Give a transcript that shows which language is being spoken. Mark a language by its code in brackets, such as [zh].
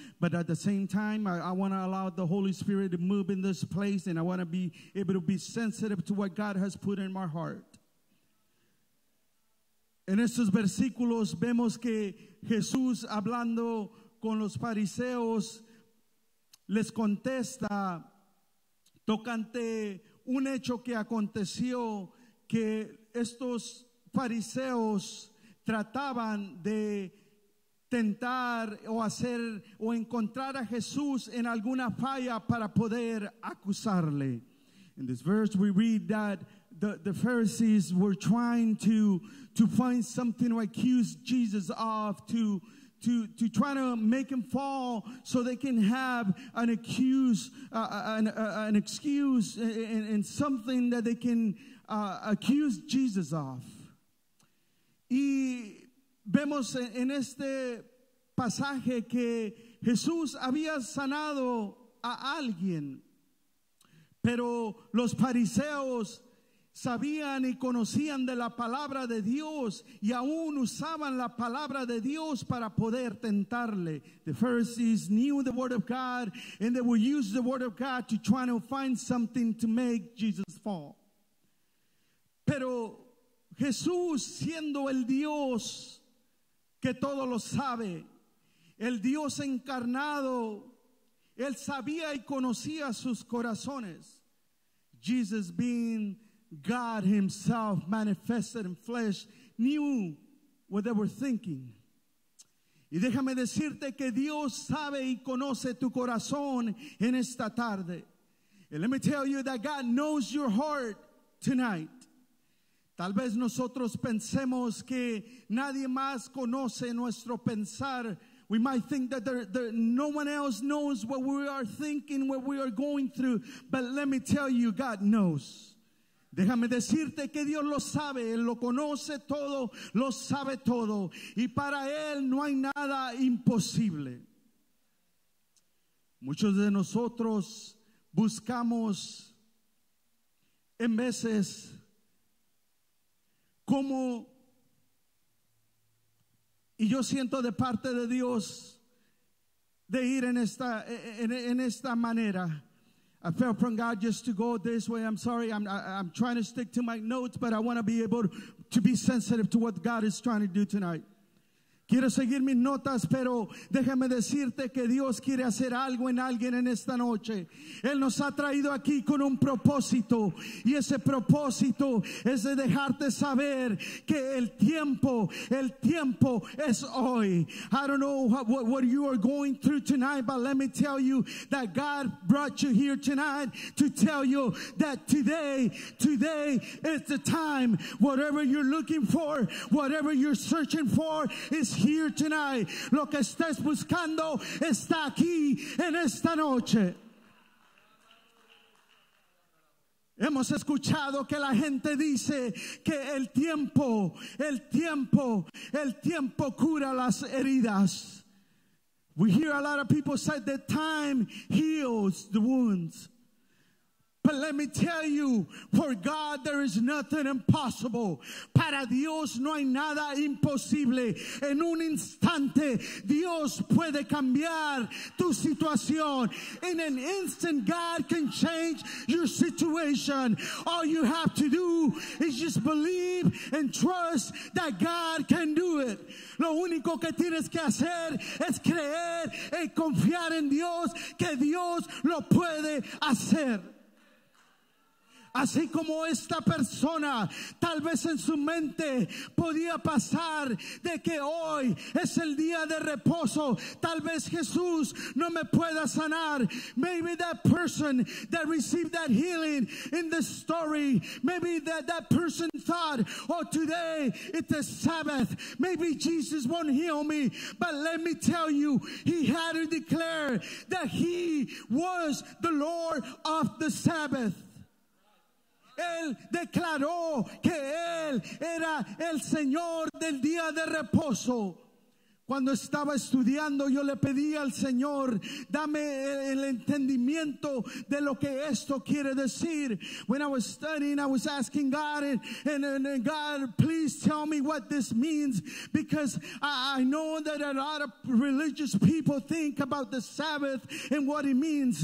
[en] But at the same time, I want to allow the Holy Spirit to move in this place, and I want to be able to be sensitive to what God has put in my heart. [es] En estos versículos vemos que Jesús, hablando con los fariseos, les contesta tocante un hecho que aconteció, que estos fariseos trataban de tentar o hacer o encontrar a Jesús en alguna falla para poder acusarle. [en] In this verse we read that the Pharisees were trying to find something to accuse Jesus of, to try to make him fall so they can have an excuse and something that they can accuse Jesus of. [es] Y vemos en este pasaje que Jesús había sanado a alguien, pero los fariseos sabían y conocían de la palabra de Dios y aún usaban la palabra de Dios para poder tentarle. [en] The Pharisees knew the word of God and they would use the word of God to try to find something to make Jesus fall. [es] Pero Jesús, siendo el Dios que todo lo sabe, el Dios encarnado, él sabía y conocía sus corazones. [en] Jesus being God himself manifested in flesh knew what they were thinking. [es] Y déjame decirte que Dios sabe y conoce tu corazón en esta tarde. [en] And let me tell you that God knows your heart tonight. [es] Tal vez nosotros pensemos que nadie más conoce nuestro pensar. [en] We might think that no one else knows what we are thinking, what we are going through. But let me tell you, God knows. [es] Déjame decirte que Dios lo sabe, Él lo conoce todo, lo sabe todo. Y para Él no hay nada imposible. Muchos de nosotros buscamos en veces cómo, y yo siento de parte de Dios de ir en esta manera. [en] I felt from God just to go this way. I'm sorry, I'm trying to stick to my notes, but I want to be able to be sensitive to what God is trying to do tonight. [es] Quiero seguir mis notas, pero déjame decirte que Dios quiere hacer algo en alguien en esta noche. Él nos ha traído aquí con un propósito, y ese propósito es de dejarte saber que el tiempo es hoy. [en] I don't know what you are going through tonight, but let me tell you that God brought you here tonight to tell you that today is the time. Whatever you're looking for, whatever you're searching for, is here tonight. [es] Lo que estés buscando está aquí en esta noche. Hemos escuchado que la gente dice que el tiempo cura las heridas. [en] We hear a lot of people say that time heals the wounds. But let me tell you, for God there is nothing impossible. [es] Para Dios no hay nada imposible. En un instante, Dios puede cambiar tu situación. [en] In an instant, God can change your situation. All you have to do is just believe and trust that God can do it. [es] Lo único que tienes que hacer es creer y confiar en Dios, que Dios lo puede hacer. Así como esta persona, tal vez en su mente podía pasar de que hoy es el día de reposo. Tal vez Jesús no me pueda sanar. [en] Maybe that person that received that healing in the story, maybe that person thought, oh, today it's a Sabbath. Maybe Jesus won't heal me. But let me tell you, he had to declare that he was the Lord of the Sabbath. [es] Él declaró que Él era el Señor del día de reposo. Cuando estaba estudiando, yo le pedí al Señor, dame el entendimiento de lo que esto quiere decir. [en] When I was studying, I was asking God, and God, please tell me what this means, because I know that a lot of religious people think about the Sabbath and what it means.